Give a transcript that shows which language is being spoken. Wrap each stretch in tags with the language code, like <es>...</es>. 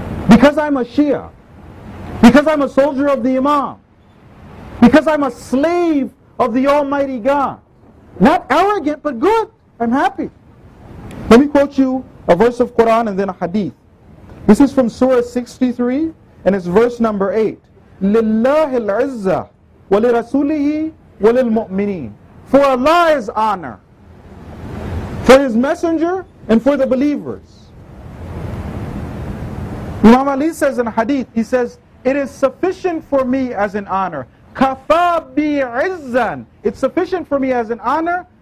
<en>Because I'm a Shia. Because I'm a soldier of the Imam. Because I'm a slave of the Almighty God. Not arrogant, but good. I'm happy. Let me quote you a verse of Quran and then a hadith. This is from Surah 63, and it's verse number 8.</en> <ar>لله العزة ولرسوله وللمؤمنين.</ar> <en>For Allah's honor, for His messenger, and for the believers. Imam Ali says in hadith, he says, it is sufficient for me as an honor.</en> <ar>كَفَى بِعِزًّا.</ar> <en>It's sufficient for me as an honor.</en>